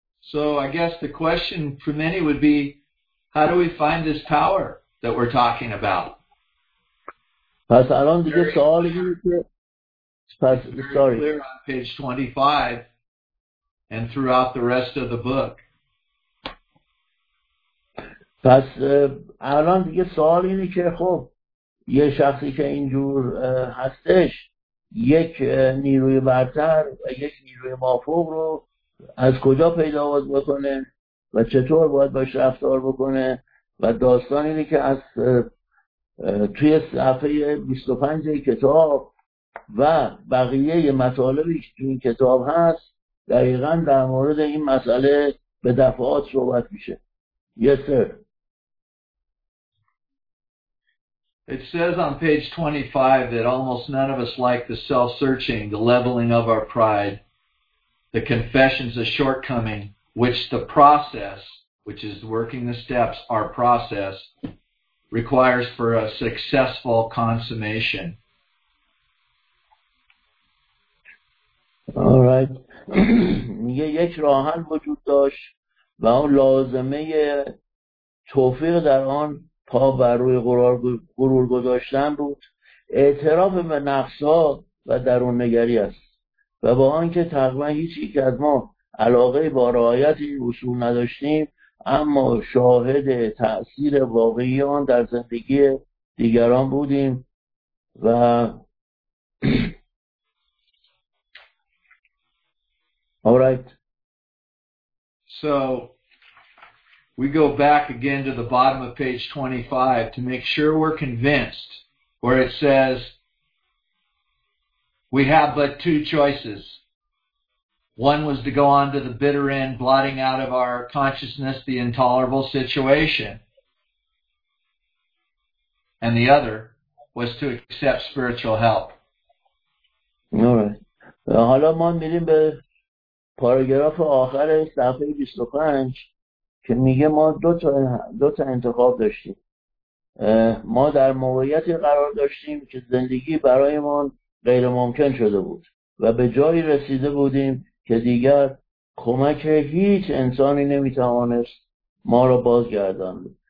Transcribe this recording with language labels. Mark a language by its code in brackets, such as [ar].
[en] So I guess the question for many would be, how do we find this power that we're talking about? [fa] پس الان دیگه سوال اینه که [en] It's very clear on page 25 and throughout the rest of the book. [fa] پس الان دیگه سوال اینه که خب یه شخصی که اینجور هستش یک نیروی برتر و یک نیروی مافوق رو از کجا پیدا بکنه و چطور باید باش رفتار بکنه و داستان اینه که از توی صفحه 25 کتاب و بقیه مطالبی که تو این کتاب هست دقیقا در مورد این مسئله به دفعات صحبت میشه. [en] Yes, sir. It says on page 25 that almost none of us like the self-searching, the leveling of our pride, the confessions of shortcoming, which the process, which is working the steps, our process, requires for a successful consummation. All right. [fa] میگه یک راه حل وجود داشت و اون لازمه توفیق در آن پا بر روی غرور گذاشتن بود، اعتراف به نقصا و درون نگری است و با آنکه تقریبا هیچ یک از ما علاقه با رعایت اصول نداشتیم، اما شاهد تأثیر واقعی آن در زندگی دیگران بودیم و [en] So we go back again to the bottom of page 25 to make sure we're convinced, where it says, we have but two choices. One was to go on to the bitter end, blotting out of our consciousness the intolerable situation. And the other was to accept spiritual help. All right. [fa] حالا ما میریم به پاراگراف آخر صفحه 25 که میگه ما دو تا انتخاب داشتیم. ما در موقعیتی قرار داشتیم که زندگی برایمان غیر ممکن شده بود و به جایی رسیده بودیم که دیگر کمک هیچ انسانی نمیتوانست ما را بازگرداند.